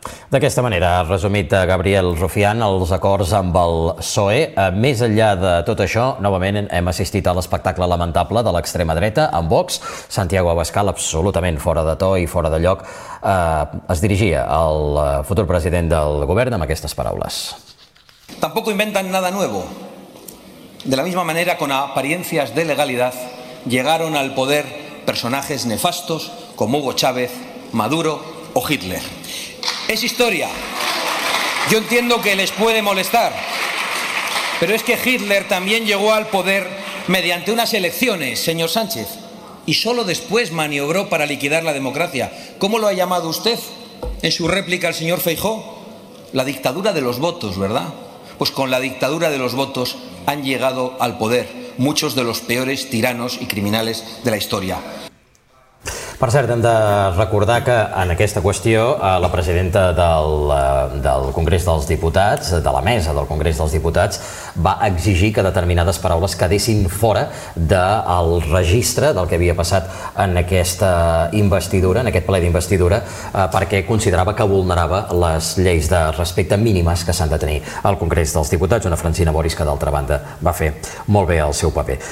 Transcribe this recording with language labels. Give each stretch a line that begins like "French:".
Catalan: D'aquesta manera, resumit Gabriel Rufián, els acords amb el PSOE. Més enllà de tot això, novament hem assistit a l'espectacle lamentable de l'extrema dreta amb Vox. Santiago Abascal, absolutament fora de to i fora de lloc, es dirigia al futur president del govern amb aquestes paraules.
Spanish: Tampoco inventan nada nuevo. De la misma manera, con apariencias de legalidad, llegaron al poder personajes nefastos como Hugo Chávez, Maduro o Hitler. Es historia. Yo entiendo que les puede molestar. Pero es que Hitler también llegó al poder mediante unas elecciones, señor Sánchez. Y solo después maniobró para liquidar la democracia. ¿Cómo lo ha llamado usted en su réplica al señor Feijóo? La dictadura de los votos, ¿verdad? Pues con la dictadura de los votos han llegado al poder muchos de los peores tiranos y criminales de la historia.
Catalan: Per cert, hem de recordar que en aquesta qüestió la presidenta del Congrés dels Diputats, de la mesa del Congrés dels Diputats, va exigir que determinades paraules quedessin fora del registre del que havia passat en aquesta investidura, en aquest ple d'investidura, perquè considerava que vulnerava les lleis de respecte mínimes que s'han de tenir al Congrés dels Diputats, una Francina Boris que, d'altra banda, va fer molt bé el seu paper.